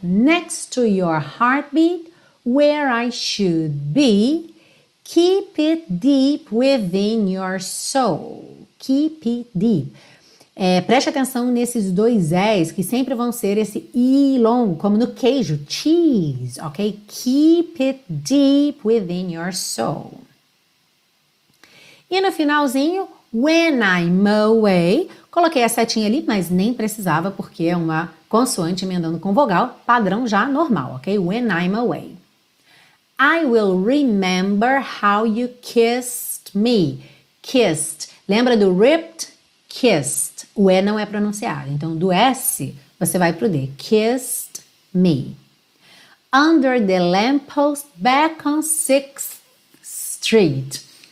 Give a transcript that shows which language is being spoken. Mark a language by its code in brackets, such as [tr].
[en] Next to your heartbeat, where I should be, keep it deep within your soul. Keep it deep. [pt] É, preste atenção nesses dois S que sempre vão ser esse I longo, como no queijo, cheese, ok? [en] Keep it deep within your soul. [pt] E no finalzinho, [en] when I'm away, [pt] coloquei a setinha ali, mas nem precisava porque é uma consoante emendando com vogal, padrão já normal, ok? [en] When I'm away. I will remember how you kissed me. Kissed. [pt] Lembra do [en] ripped? Kissed. [pt] O E não é pronunciado. Então, do S, você vai pro D. [en] Kissed me. Under the lamppost, back on 6th Street.